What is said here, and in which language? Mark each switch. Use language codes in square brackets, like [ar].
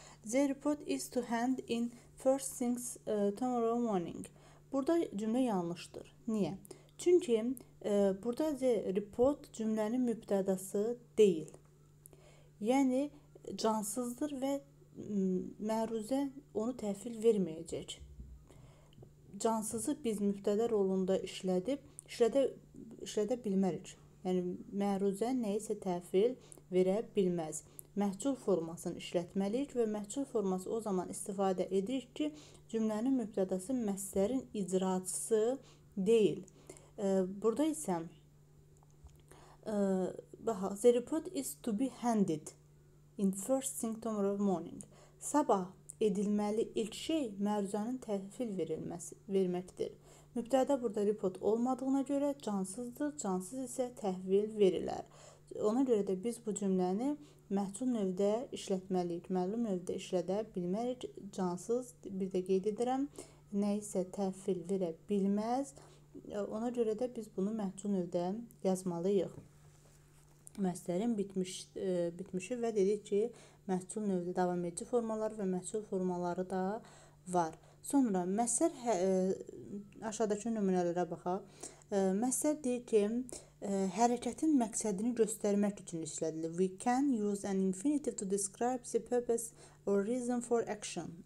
[en] The report is to hand in first things tomorrow morning. [az] Burada cümlə yanlışdır. Niyə? Çünki burada [en] the report [az] cümlənin mübtədası deyil. Yəni cansızdır və məruzə onu təhvil verməyəcək. Cansızı biz mübtədə rolunda işlədə bilmərik. Yəni məruzə nəyisə təhvil verə bilməz. Məhcul formasını işlətməliyik və məhcul forması o zaman istifadə edirik ki, cümlənin mübtədası məsdərin icraçısı deyil. Burada isə baxaq, [en] the report is to be handed in first thing tomorrow morning. [az] Sabah edilməli ilk şey məruzənin təhvil verməkdir. Mübtədə burada report olmadığına görə cansızdır, cansız isə təhvil verilər. Ona görə də biz bu cümləni məhcul növdə işlətməliyik, məlum növdə işlədə bilmərik. Cansız, bir də qeyd edirəm, nə isə təhvil verə bilməz. Ona görə də biz bunu məhcul növdə yazmalıyıq. Məsdərin bitmişi və dedik ki, məhcul növdə davam edici formalar və məhcul formaları da var. Sonra məsdər aşağıdakı nümunələrə baxaq. Məsdər deyir ki, hərəkətin məqsədini göstərmək üçün işlədilir. [en] We can use an infinitive to describe the purpose or reason for action.